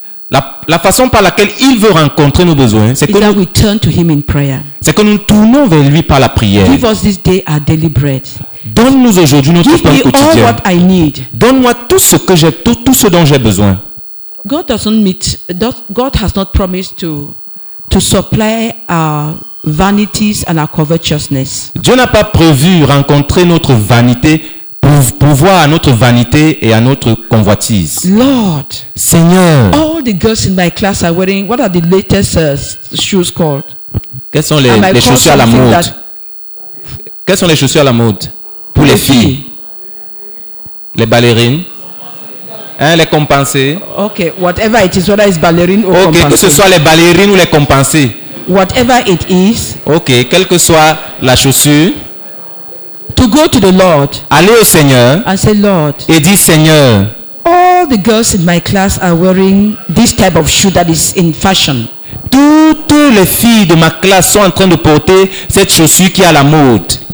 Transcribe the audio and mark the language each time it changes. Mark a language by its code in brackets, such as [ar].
[fr] La façon par laquelle il veut rencontrer nos besoins, c'est que [en] nous, we turn to him in prayer. [fr] C'est que nous tournons vers lui par la prière. [en] Give us this day our daily bread. [fr] Donne-nous aujourd'hui notre [en] Give [fr] pain [en] me [fr] quotidien. [en] All what I need. [fr] Donne-moi tout ce que j'ai, tout ce dont j'ai besoin. [en] God doesn't meet. God has not promised to supply our vanities and our covetousness. [fr] Dieu n'a pas prévu rencontrer notre vanité, pourvoir à notre vanité et à notre convoitise. [en] Lord, [fr] Seigneur, [en] all the girls in my class are wearing. What are the latest shoes called? [fr] Quelles sont les chaussures à la mode? Quelles sont les chaussures à la mode pour les filles? Les ballerines? Hein, les compensées? [en] Okay, whatever it is, whether it's ballerine or [fr] compensées. Okay, que ce soit les ballerines ou les compensées. [en] Whatever it is. [fr] Okay, quelle que soit la chaussure. [en] To go to the Lord. [fr] Aller au Seigneur. [en] And say, Lord. [fr] Et dire, Seigneur. [en] All the girls in my class are wearing this type of shoe that is in fashion. [fr] Toutes les filles de ma classe sont en train de porter cette chaussure qui est à la mode.